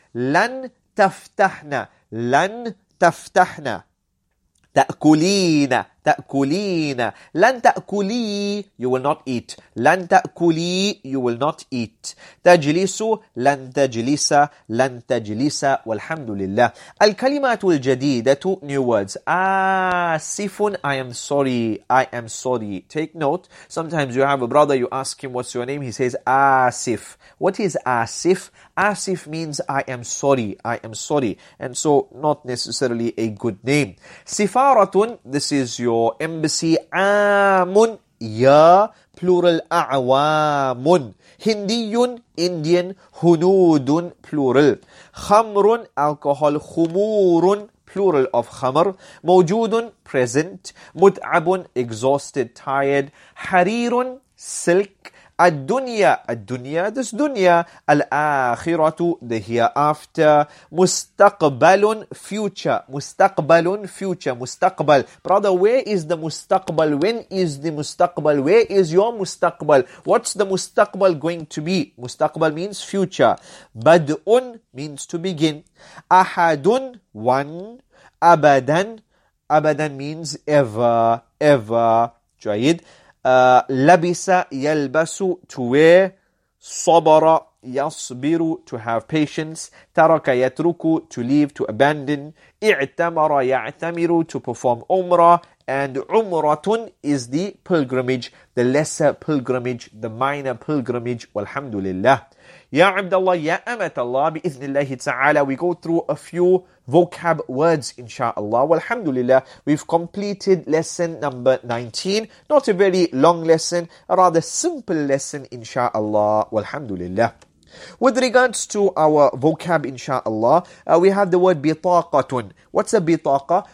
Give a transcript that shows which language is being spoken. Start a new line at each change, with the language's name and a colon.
Arabic: لن تفتحنا. لن تفتحنا. تأكلين تأكلين. لن تأكلي,
English: you will not eat. لن تأكلي, you will not eat.
Arabic: تجلس, لن تجلس, لن تجلس. والحمد لله. الكلمات الجديدة,
English: new words. آسف, I am sorry, I am sorry. Take note, sometimes you have a brother, you ask him what's your name, he says آسف. What is آسف? آسف means I am sorry, I am sorry. And so not necessarily a good name. سفارة, this is your embassy.
Arabic: عام, plural أعوام.
English: هندي, Indian. هنود, plural. خمر, alcohol. خمور, plural of خمر. موجود, present. متعب, exhausted, tired. حرير, silk.
Arabic: الدنيا, الدنيا, this دنيا.
English: الآخرة, the hereafter. مستقبل, future.
Arabic: مستقبل, future, مستقبل.
English: Brother, where is the مستقبل? When is the مستقبل? Where is your مستقبل? What's the مستقبل going to be? مستقبل means future. بدء means to begin. أحد, one. أبدا, أبدا means ever, ever. جيد. لبس, يلبس, to wear. صبر, يصبر, to have patience. ترك, يترك, to leave, to abandon. اعتمر, يعتمر, to perform umrah. And عمرة is the pilgrimage, the lesser pilgrimage, the minor pilgrimage.
Arabic: والحمد لله. يا عبد الله, يا أمة الله, بإذن الله تعالى.
English: We go through a few vocab words, inshallah. Walhamdulillah, we've completed lesson number 19. Not a very long lesson, a rather simple lesson, inshallah. Walhamdulillah. With regards to our vocab, inshallah, we have the word bitaqatun. What's a bitaqa?